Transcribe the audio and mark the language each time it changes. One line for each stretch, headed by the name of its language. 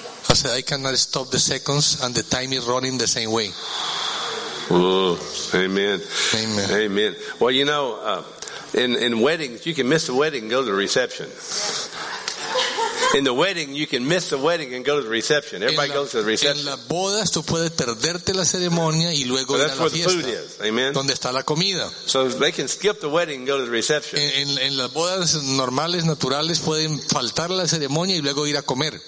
English: I said, "I cannot stop the seconds, and the time is running the same way." Ooh, amen. Amen. Amen. Well, you know, in weddings, you can miss the wedding and go to the reception. In the wedding, you can miss the wedding and go to the reception. Everybody goes to the reception.
Spanish: En las bodas, tú puedes perderte la ceremonia y luego ir a la fiesta.
English: But that's where the food is. Amen.
Spanish: Donde está la comida.
English: So they can skip the wedding and go to the reception.
Spanish: En las bodas normales, naturales, pueden faltar la ceremonia y luego ir a comer.